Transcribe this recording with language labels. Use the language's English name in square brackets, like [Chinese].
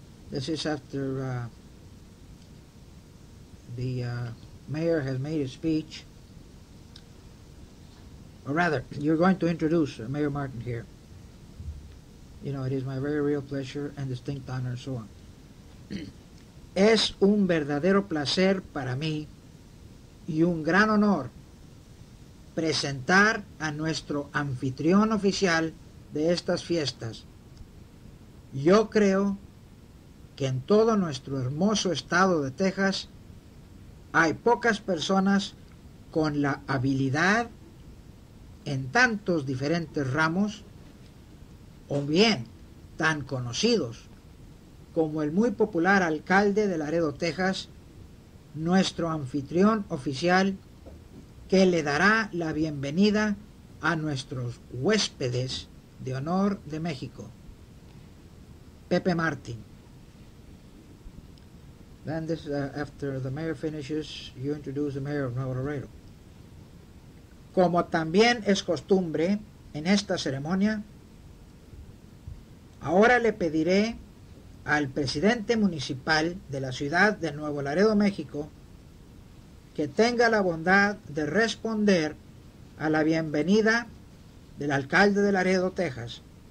[English] This is after the mayor has made a speech. Or rather, you're going to introduce Mayor Martin here. You know, it is my very real pleasure and distinct honor, and so on. [Spanish] Es un verdadero placer para mí y un gran honor presentar a nuestro anfitrión oficial de estas fiestas. Yo creo que en todo nuestro hermoso estado de Texas hay pocas personas con la habilidad en tantos diferentes ramos, o bien tan conocidos como el muy popular alcalde de Laredo, Texas, nuestro anfitrión oficial, que le dará la bienvenida a nuestros huéspedes de honor de México. Pepe Martin. [English] Then this, after the mayor finishes, you introduce the mayor of Nuevo Laredo. [Spanish] Como también es costumbre en esta ceremonia, ahora le pediré al presidente municipal de la ciudad de Nuevo Laredo, México, que tenga la bondad de responder a la bienvenida del alcalde de Laredo, Texas.